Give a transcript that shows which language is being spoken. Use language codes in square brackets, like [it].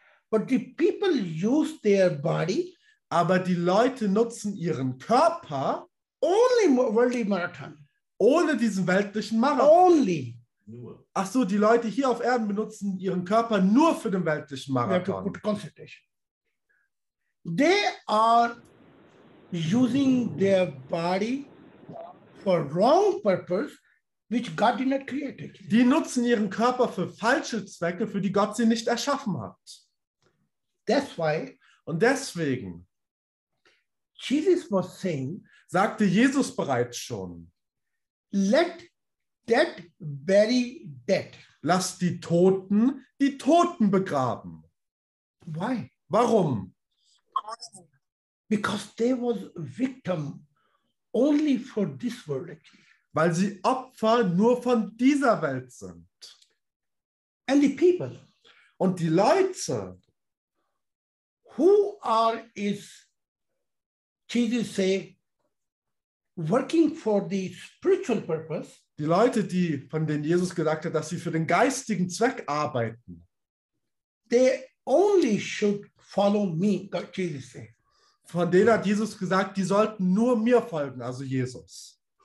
[en] But the people use their body. [de] Aber die Leute nutzen ihren Körper [en] Only worldly marathon. [de] Ohne diesen weltlichen Marathon. [en] Only. [de] Ach so, die Leute hier auf Erden benutzen ihren Körper nur für den weltlichen Marathon. [en] to put concentration. They are using their body for wrong purpose, which God did not create. [de] Die nutzen ihren Körper für falsche Zwecke, für die Gott sie nicht erschaffen hat. [en] That's why. [de] Und deswegen. [en] Jesus was saying. [de] Sagte Jesus bereits schon. [en] Let dead bury dead. [de] Lass die Toten begraben. [en] Why? [de] Warum? [en] Because they was victim only for this world. [de] Weil sie Opfer nur von dieser Welt sind. [en] And the people. [de] Und die Leute. [en] Who are is Jesus say working for the spiritual purpose? [de] Die Leute, die von denen Jesus gesagt hat, dass sie für den geistigen Zweck arbeiten. [en] They only should follow me, Jesus said. [de] Von denen hat Jesus gesagt, die sollten nur mir folgen, also Jesus.